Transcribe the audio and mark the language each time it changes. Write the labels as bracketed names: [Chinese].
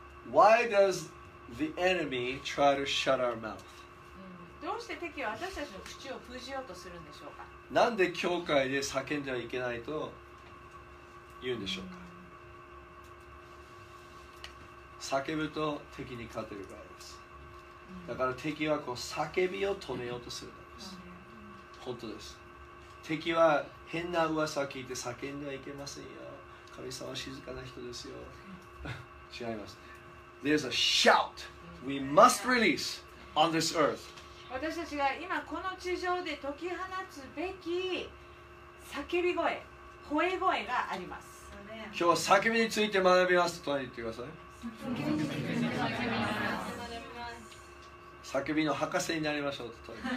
[English] Why does the enemy try to shut our mouth? [Japanese] どうして敵は私たちの口を封じようとするんでしょうか。なんで教会で叫んではいけないと言うんでしょうか。叫ぶと敵に勝てるからです。だから敵はこう叫びを止めようとするんです。本当です。敵は変な噂を聞いて叫んではいけませんよ。神様は静かな人ですよ。違います。 [English] There's a shout we must release on this earth. [Japanese] 私たちが今この地上で解き放つべき叫び声、吠え声があります。今日は叫びについて学びますと隣に言ってください。叫びの博士になりましょうと。